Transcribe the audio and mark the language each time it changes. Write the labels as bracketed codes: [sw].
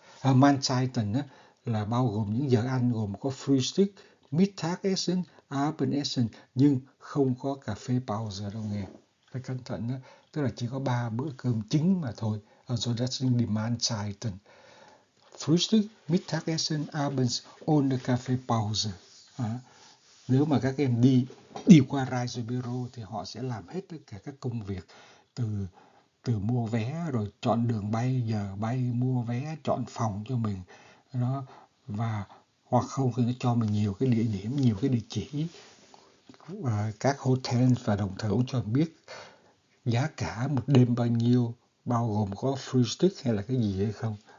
[vi] Mancai là bao gồm những giờ ăn gồm có Frühstück, Mittagessen, Abendessen nhưng không có cà phê pause đâu nghe. Phải cẩn thận đó. Tức là chỉ có 3 bữa cơm chính mà thôi. [de] Also das sind die Mahlzeiten. Frühstück, Mittagessen, Abends ohne Kaffeepause. [vi] Nếu mà các em đi đi qua Reisebüro thì họ sẽ làm hết tất cả các công việc từ từ mua vé rồi chọn đường bay, giờ bay, mua vé, chọn phòng cho mình. Nó và hoặc không thì nó cho mình nhiều cái địa điểm, nhiều cái địa chỉ và các hotel và đồng thời cũng cho biết giá cả một đêm bao nhiêu, bao gồm có free stick hay là cái gì hay không.